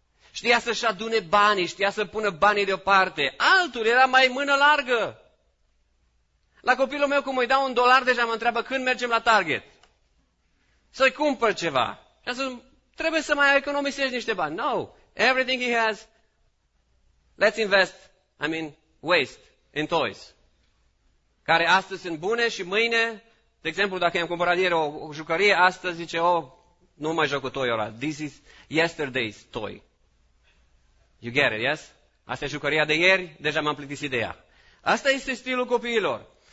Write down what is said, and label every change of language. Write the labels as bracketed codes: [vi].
[ro] Știa să-și adune banii, știa să pună banii deoparte. Altul era mai mână largă. La copilul meu, cum îi dau un dolar, deja mă întreabă când mergem la Target. Să-i cumpăr ceva. Și am zis, trebuie să mai economisești niște bani. [en] No, everything he has, let's waste, in toys. [ro] Care astăzi sunt bune și mâine, de exemplu, dacă i-am cumpărat ieri o jucărie, astăzi zice, oh, nu mai joc cu toy-ul ăla. [en] This is yesterday's toy. You get it, yes? [ro] Asta e jucăria de ieri, deja m-am plictisit ideea. Asta este stilul copiilor.